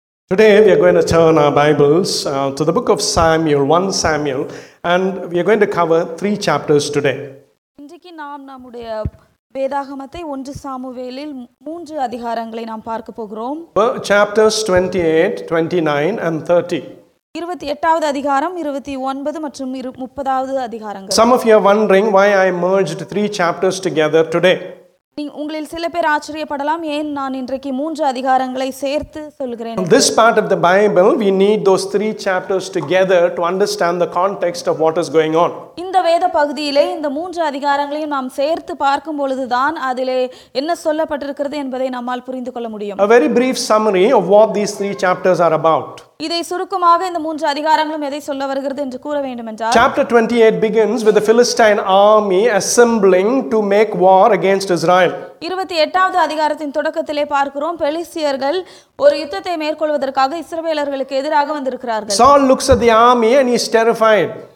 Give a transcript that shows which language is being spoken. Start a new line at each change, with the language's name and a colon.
English: Today we are going to turn our Bibles to the book of Samuel, 1 Samuel, and we are going to cover 3 chapters today.
Tamil: இன்றைக்கு நாம் நம்முடைய வேதாகமத்தை 1 சாமுவேலில் 3 அதிகாரங்களை நாம் பார்க்க போகிறோம்.
English: Chapters 28, 29 and 30.
Tamil: 28வது அதிகாரம், 29 மற்றும் 30வது அதிகாரங்கள்.
English: Some of you are wondering why I merged 3 chapters together today.
Tamil: உங்களில் சில பேர் ஆச்சரியப்படலாம், ஏன் நான் இன்றைக்கு 3 அதிகாரங்களை சேர்த்து சொல்கிறேன்.
English: This part of the Bible, we need those 3 chapters together to understand the context of what is going on.
Tamil: இந்த வேத பகுதியிலே இந்த 3 அதிகாரங்களையும் நாம் சேர்த்து பார்க்கும் பொழுதுதான் அதிலே என்ன சொல்லப்பட்டிருக்கிறது என்பதை நம்மால் புரிந்து கொள்ள முடியும்.
English: A very brief summary of what these 3 chapters are about.
Tamil: இதை சுருக்கமாக இந்த 3 அதிகாரங்களும் எதை சொல்ல வருகிறது என்று கூற வேண்டுமென்றால்,
English: Chapter 28 begins with the Philistine army assembling to make war against Israel.
Tamil: 28வது அதிகாரத்தின் தொடக்கத்திலே பார்க்கிறோம், பெலிசியர்கள் ஒரு யுத்தத்தை மேற்கொள்வதற்காக இஸ்ரவேலர்களுக்கு எதிராக வந்திருக்கிறார்கள்.
English: Saul looks at the army and he's terrified.